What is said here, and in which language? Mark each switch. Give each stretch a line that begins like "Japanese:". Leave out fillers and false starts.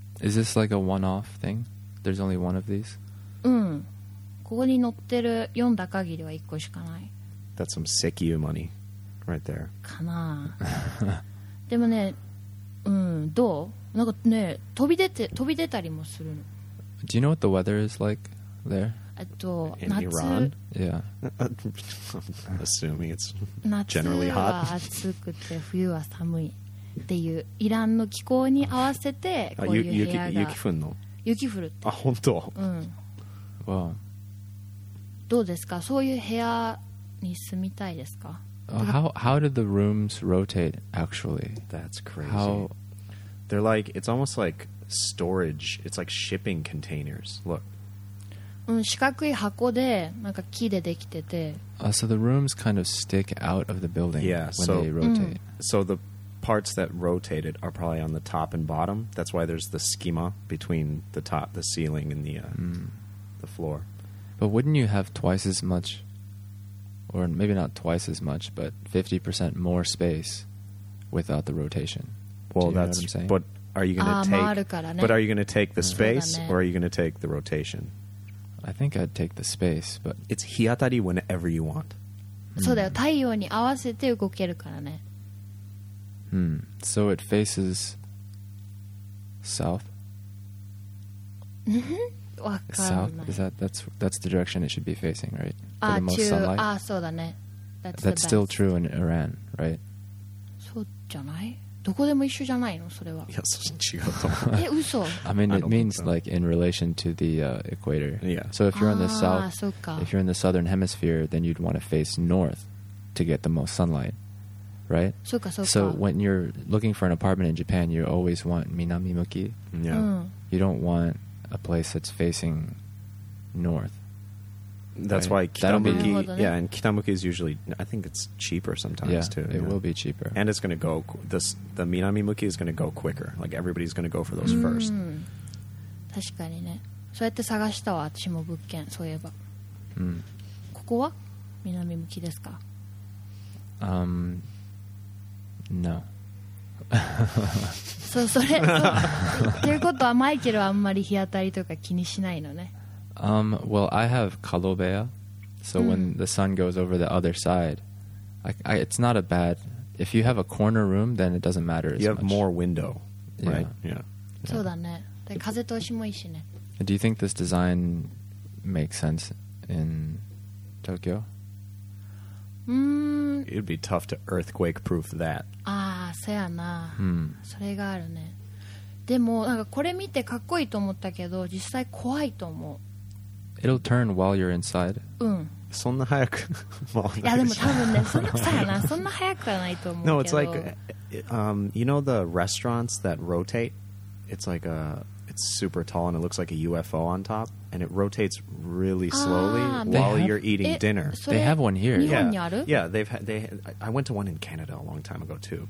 English: Is this like a one-off thing? There's only one of these?
Japanese: うん、ここに載ってる読んだ限りは1個しかない。
English: That's some 石油 money right there.
Japanese: かなあ。でもね、うん、どう？なんかね、飛び出たりもするの。
English: Do you know what the weather is like there? In 夏 Iran? Yeah. I'm assuming it's generally hot.
Japanese: 夏は暑くて冬は寒いっていうイランの気候に合わせてこういう部屋が。雪降るの？雪降るって。あ、本当？うん。
English: Wow.
Japanese: どうですか？そういう部屋に住みたいですか？
English: How did the rooms rotate actually? That's crazy. How? They're like, it's almost like storage. It's like shipping containers. Look.
Japanese: うん、四角い箱でなんか木でできてて。
English: So the rooms kind of stick out of the building yeah, when so, they rotate. So the parts that rotated are probably on the top and bottom. That's why there's the schema between the top, the ceiling, and the floor. But wouldn't you have twice as much, or maybe not twice as much, but 50% more space without the rotation? Well, that's what I'm saying. But are you going to take?
Japanese: Ah, 回るからね。
English: But are you going to take the space, or are you going to take the rotation? I think I'd take the space, but it's 日当たり whenever you want.
Japanese: そうだよ。太陽に合わせて動けるからね。
English: Hmm. So it faces south? South? Is that, that's the direction it should be facing, right? For the most sunlight? Ah, so that's the still true in Iran, right?
Japanese: So, janai? Doko demo issue janai no, sore wa?
English: Yes, it's not.
Japanese: Eh, uso?
English: I mean, it means like in relation to the equator. Yeah. So, if you're in the south, so if you're in the southern hemisphere, then you'd want to face north to get the most sunlight, right? So, ka, so, so when you're looking for an apartment in Japan, you always want minami muki. Yeah. Mm. You don't want a place that's facing north. That's right? Why Kitamuki, yeah, and Kitamuki is usually, I think it's cheaper sometimes yeah, too. It yeah, it will be cheaper. And it's going to go, the Minami Muki is going to go quicker. Like everybody's going to go for those first.
Japanese: 確かにね。そうやって探したわ、私も物件、そういえば。ここは南向きですか？
English: No.
Japanese: そう、それと、ということはマイケルはあんまり日当たりとか気にしないのね。
English: Well, I have kalobeya, so when the sun goes over the other side, it's not a bad. If you have a corner room, then it doesn't matter as much. You have more window, right? Yeah.
Japanese: そうだね。で、風通しもいいしね。
English: Do you think this design makes sense in Tokyo? It'd be tough to earthquake-proof that.
Japanese: ああ、そやな。 Hmm. それがあるね。でもなんかこれ見てかっこいいと思ったけど実際怖いと思う。
English: It'll turn while you're inside.
Japanese: うん。そんな早く。いやでも多分ね、そんな、そやな、そんな早くはないと思うけど。
English: No, it's like, you know the restaurants that rotate? It's like a, it's super tall and it looks like a UFO on top. And it rotates really slowly while you're eating dinner. They have one here. Yeah, yeah I went to one in Canada a long time ago too.